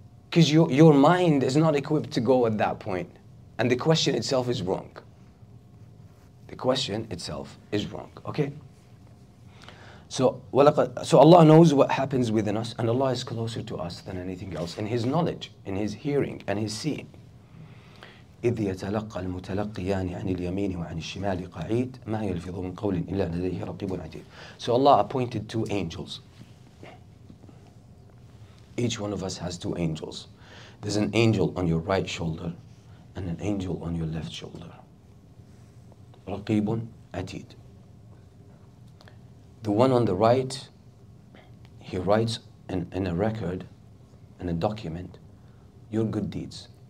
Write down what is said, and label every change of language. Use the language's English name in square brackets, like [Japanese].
[English] Because your mind is not equipped to go at that point. And the question itself is wrong. The question itself is wrong, okay? So Allah knows what happens within us, and Allah is closer to us than anything else in His knowledge, in His hearing, and His seeing. [Arabic] إذ يتلقى المتلقيان عن اليمين وعن الشمال قعيد ما يلفظ من قول إلا لديه رقيب عتيد. [English] So Allah appointed two angels. Each one of us has two angels. There's an angel on your right shoulder and an angel on your left shoulder. [Arabic] رقيب عتيد. [English] The one on the right, he writes in a record, in a document, your good deeds.